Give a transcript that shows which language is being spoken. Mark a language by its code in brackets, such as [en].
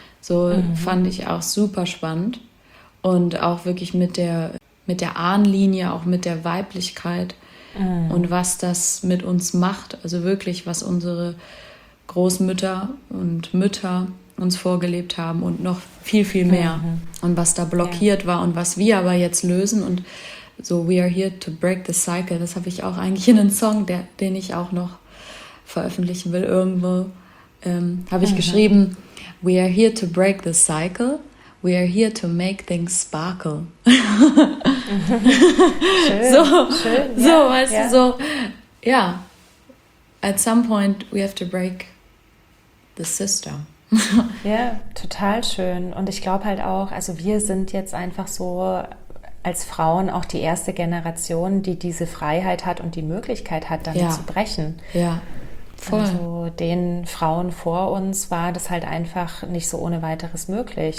[de] So fand ich auch super spannend. Und auch wirklich mit der Ahnenlinie, auch mit der Weiblichkeit und was das mit uns macht. Also wirklich, was unsere Großmütter und Mütter uns vorgelebt haben und noch viel, viel mehr. Mhm. Und was da blockiert war und was wir aber jetzt lösen. Und so, [en] we are here to break the cycle. [de] Das habe ich auch eigentlich in einem Song, den ich auch noch veröffentlichen will irgendwo, habe ich geschrieben, [en] we are here to break the cycle. We are here to make things sparkle. [de] Schön, weißt du, [en] at some point we have to break the system. [de] Ja, total schön. Und ich glaube halt auch, also wir sind jetzt einfach so als Frauen auch die erste Generation, die diese Freiheit hat und die Möglichkeit hat, damit zu brechen. Ja. Voll. Also den Frauen vor uns war das halt einfach nicht so ohne weiteres möglich,